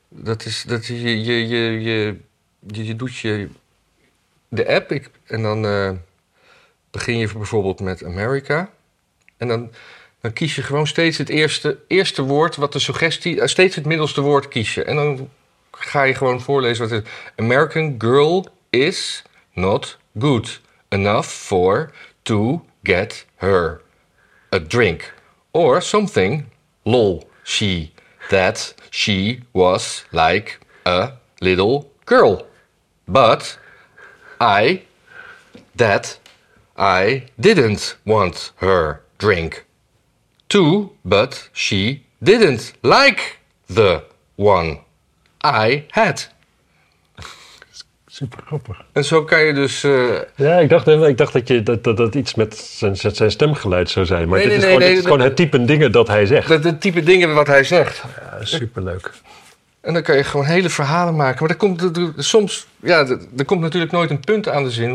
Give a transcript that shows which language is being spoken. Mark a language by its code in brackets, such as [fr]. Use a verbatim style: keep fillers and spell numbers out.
[nl] Dat is dat je, je, je, je, je, je, je doet je de app ik, en dan uh, begin je bijvoorbeeld met America. En dan, dan kies je gewoon steeds het eerste, eerste woord wat de suggestie, uh, steeds het middelste woord kies je. En dan ga je gewoon voorlezen wat het is. [en] American girl is not good enough for to get her a drink or something. Lol, she. That she was like a little girl. But I, that I didn't want her drink. Too, but she didn't like the one I had. [nl] Super grappig. En zo kan je dus... Uh... Ja, ik dacht, ik dacht dat, je, dat, dat dat iets met zijn, zijn stemgeluid zou zijn. Maar nee, dit nee, is, nee, gewoon, nee, dit is nee, gewoon het type dingen dat hij zegt. Het, het type dingen wat hij zegt. Ja, superleuk. En dan kan je gewoon hele verhalen maken. Maar er komt, er, er, soms, ja, er, er komt natuurlijk nooit een punt aan de zin.